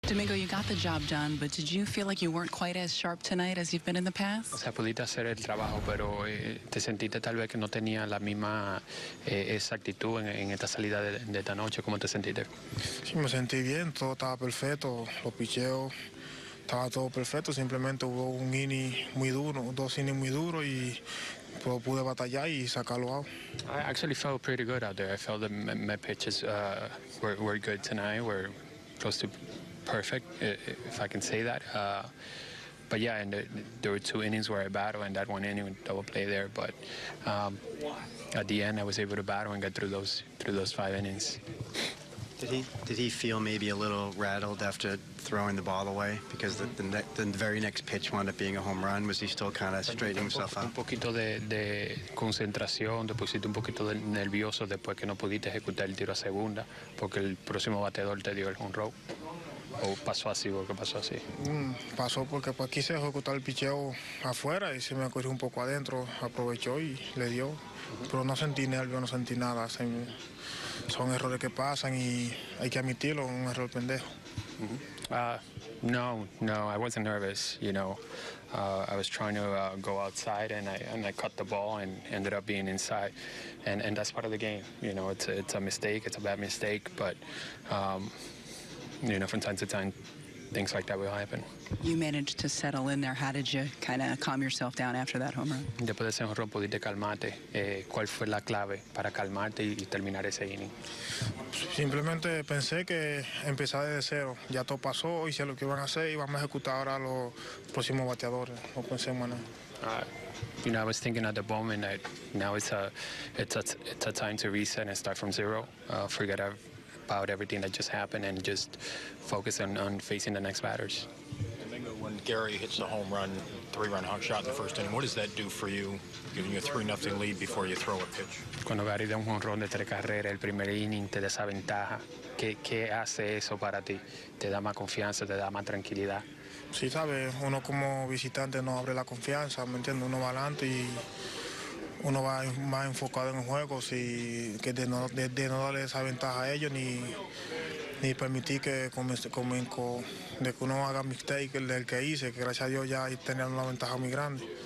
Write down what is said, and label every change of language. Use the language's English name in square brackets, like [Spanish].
[English] Domingo, you got the job done, but did you feel like you weren't quite as sharp tonight as you've been in the past? [Spanish] O sea, pudiste hacer el trabajo, pero te sentiste tal vez que no tenía la misma exactitud en esta salida de esta noche. ¿Cómo te sentiste? Sí, me sentí bien. Todo estaba perfecto. Los picheos. Estaba todo perfecto, simplemente hubo un inning muy duro, dos innings muy duros y pude batallar y sacarlo out. [English] I actually felt pretty good out there. I felt that my pitches were good tonight, were close to perfect, if I can say that. But yeah, and there were two innings where I battled, and that one inning with double play there. But at the end, I was able to battle and get through those five innings. Did he feel maybe a little rattled after throwing the ball away? Because the very next pitch wound up being a home run. Was he still kind of straightening himself up? [Spanish] Un poquito de concentración, te pusiste un poquito nervioso después que no pudiste ejecutar el tiro a segunda, porque el próximo bateador te dio el home run. ¿O pasó así? ¿Por qué pasó así? Pasó porque pues quise ejecutar el picheo afuera y se me ocurrió un poco adentro. Aprovechó y le dio. Pero no sentí nervio, no sentí nada. Son errores que pasan y hay que admitirlo, un error pendejo. [English] No, I wasn't nervous, you know. I was trying to go outside and I cut the ball and ended up being inside. And that's part of the game, you know. It's a mistake, it's a bad mistake, but, you know, from time to time, things like that will happen. You managed to settle in there. How did you kind of calm yourself down after that home run? [Spanish] Después de ese home run, pudiste calmarte. ¿Cuál fue la clave para calmarte y terminar ese inning? Simplemente pensé que empezar desde cero. Ya todo pasó, hice lo que iban a hacer y vamos a ejecutar ahora los próximos bateadores. No pensé en nada. [English] You know, I was thinking at the moment that now it's a time to reset and start from zero. Forget about everything that just happened and just focus on facing the next batters. Domingo, when Gary hits a home run, three-run hot shot in the first inning, what does that do for you, giving you a 3-0 lead before you throw a pitch? [Spanish] Cuando Gary da un home run de tres carreras el primer inning, te da esa ventaja. ¿Qué hace eso para ti? ¿Te da más confianza, te da más tranquilidad? Sí, sabes, uno como visitante no abre la confianza, ¿me entiendes? Uno va adelante y uno va más enfocado en el juego, si que de no darle esa ventaja a ellos ni permitir que de que uno haga mistake el del que hice, que gracias a Dios ya tenía una ventaja muy grande.